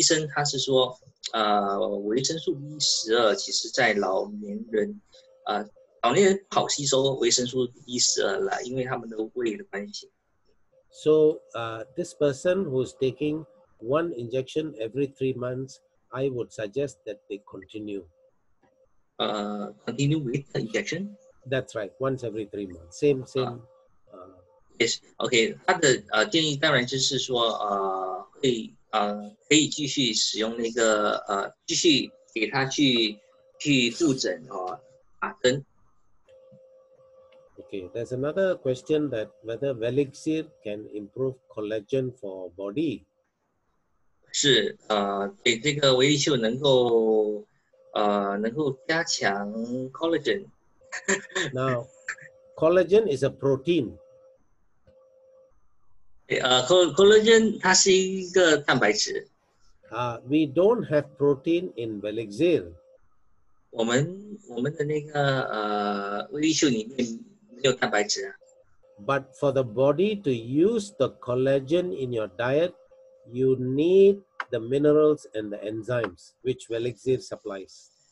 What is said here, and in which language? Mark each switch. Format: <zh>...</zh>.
<zh>维生素 B12的针哦，那使用威力秀能够让他的母亲以后就不用再打针了吗？那医生他是说，维生素 B12其实在老年人，老年人不好吸收维生素 B12了，因为他们的胃的关系。So</zh> <en>this person who's taking one injection every 3 months, I would suggest that they continue. Continue with the injection? That's right, once every 3 months. Same. Yes, okay.</en> <zh>他的建议当然就是说，可以继续使用那个，继续给他去复诊，打针。</zh> <en>Okay, there's another question that whether Velixir can improve collagen for body.</en> <zh>是，对这个维力秀能够。能够加强 collagen.</zh> <en>Now, collagen is a protein.</en> <zh>Collagen 它是一个蛋白质.</zh> <en>We don't have protein in Velixir.</en> <zh>我们的那个威力秀里面没有蛋白质.</zh> <en>But for the body to use the collagen in your diet, you need the minerals and the enzymes which Velixir supplies.</en>